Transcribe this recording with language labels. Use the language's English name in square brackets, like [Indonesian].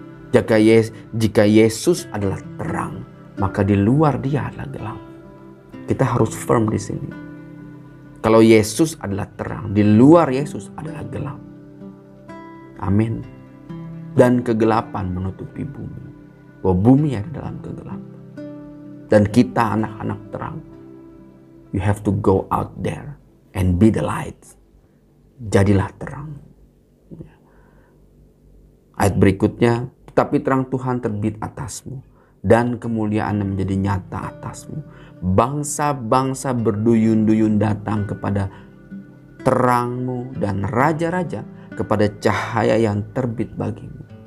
[Indonesian] Jika Yesus adalah terang, maka di luar dia adalah gelap. Kita harus firm di sini. Kalau Yesus adalah terang, di luar Yesus adalah gelap. Amin. Dan kegelapan menutupi bumi. Bahwa bumi ada dalam kegelapan. Dan kita anak-anak terang. [English] You have to go out there and be the light. [Indonesian] Jadilah terang. Ayat berikutnya, tetapi terang Tuhan terbit atasmu dan kemuliaan menjadi nyata atasmu. Bangsa-bangsa berduyun-duyun datang kepada terangmu dan raja-raja kepada cahaya yang terbit bagimu.